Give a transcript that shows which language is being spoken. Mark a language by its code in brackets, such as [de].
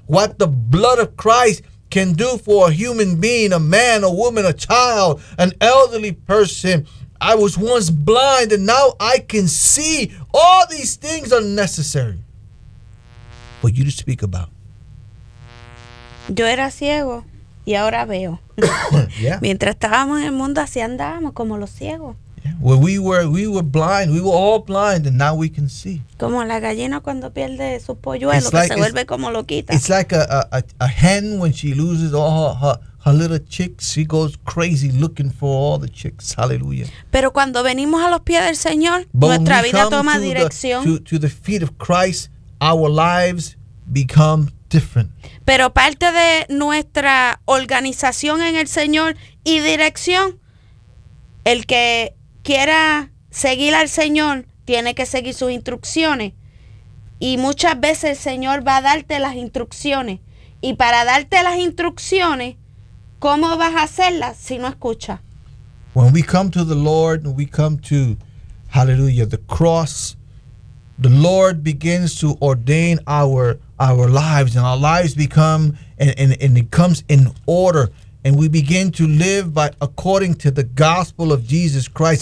[en] What the blood of Christ can do for a human being, a man, a woman, a child, an elderly person. I was once blind and now I can see. All these things are necessary for you to speak about. [es] Yo era ciego y ahora veo. [en] Yeah. [es] Mientras estábamos en el mundo así andábamos como los ciegos. [en] Well, we were blind. We were all blind, and now we can see. [es] Como la gallina cuando pierde su polluelo, que like, se vuelve como loquita. [en] It's like a hen when she loses all her little chicks. She goes crazy looking for all the chicks. Hallelujah. [es] Pero cuando venimos a los pies del Señor, [en] but [es] nuestra vida toma dirección. [en] To the feet of Christ, our lives become different. [es] Pero parte de nuestra organización en el Señor y dirección, el que quiera seguir al Señor tiene que seguir sus instrucciones, y muchas veces el Señor va a darte las instrucciones, y para darte las instrucciones, ¿cómo vas a hacerlas si no escuchas? [en] When we come to the Lord, we come to, hallelujah, the cross, the Lord begins to ordain our lives, and our lives become, and it comes in order. And we begin to live by according to the gospel of Jesus Christ.